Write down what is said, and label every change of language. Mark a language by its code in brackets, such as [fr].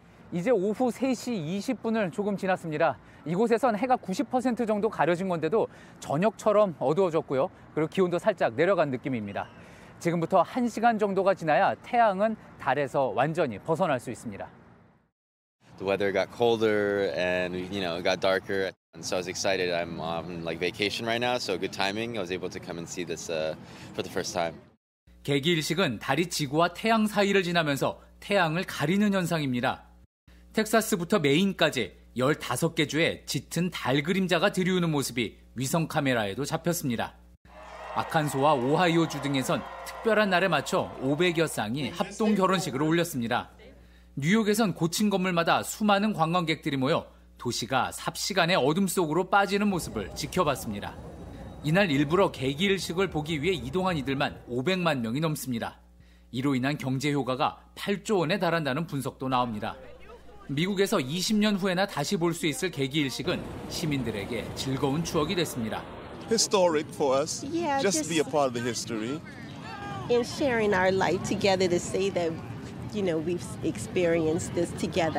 [ko] 이제 오후 3시 20분을 조금 지났습니다. 이곳에선 해가 90% 정도 가려진 건데도 저녁처럼 어두워졌고요. 그리고 기온도 살짝 내려간 느낌입니다. 지금부터 1시간 정도가 지나야 태양은 달에서 완전히 벗어날 수 있습니다. [en] The weather got colder and you know it got darker. And so I was excited. I'm on like vacation right now, so good timing. I was able to come and see this for the first time. [ko] 개기일식은 달이 지구와 태양 사이를 지나면서 태양을 가리는 현상입니다. 텍사스부터 메인까지 15개 주에 짙은 달 그림자가 드리우는 모습이 위성 카메라에도 잡혔습니다. 아칸소와 오하이오 주 등에선 특별한 날에 맞춰 500여 쌍이 합동 결혼식을 올렸습니다. 뉴욕에선 고층 건물마다 수많은 관광객들이 모여 도시가 삽시간의 어둠 속으로 빠지는 모습을 지켜봤습니다. 이날 일부러 개기일식을 보기 위해 이동한 이들만 500만 명이 넘습니다. 이로 인한 경제 효과가 8조 원에 달한다는 분석도 나옵니다. 미국에서 20년 후에나 다시 볼 수 있을 개기일식은 시민들에게 즐거운 추억이 됐습니다. [en] Historic for us. Yeah, just be a part of the history. And sharing our light together to say that, you know, we've experienced this together.